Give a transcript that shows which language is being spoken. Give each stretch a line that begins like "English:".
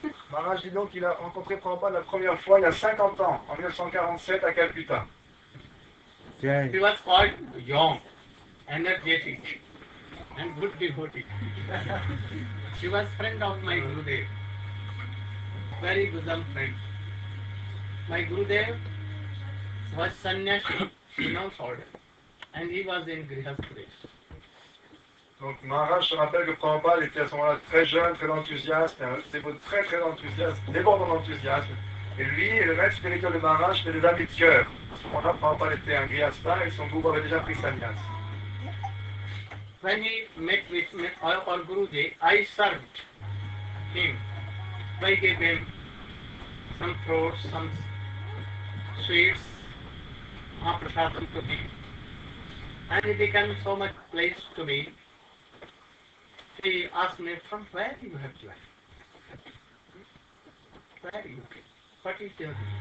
French: Maharaj dit donc qu'il a rencontré Prabhupada la première fois il y a 50 ans, en 1947 à Calcutta.
English: Okay. He was quite young, energetic, and good devotee. She was friend of my Gurudev. Very good friend. My Gurudev was sannyasi, renounced order, and he was in Grihastha.
French: Donc Maharaj se rappelle que Prabhupada était à ce moment-là très jeune, très enthousiaste, un dévot très très enthousiaste, débordant d'enthousiasme. Et lui, le maître spirituel de Maharaj, était des amis de cœur. À ce moment-là, Prabhupada était un grihastha et son gourou avait déjà pris sa nyasse.
English: When he met with me, our Guruji, I served him. I gave him some fruits, some sweets, prasadam to him. And he became so much pleased to me. He asked me, from where you have left? Where you came? What is your name?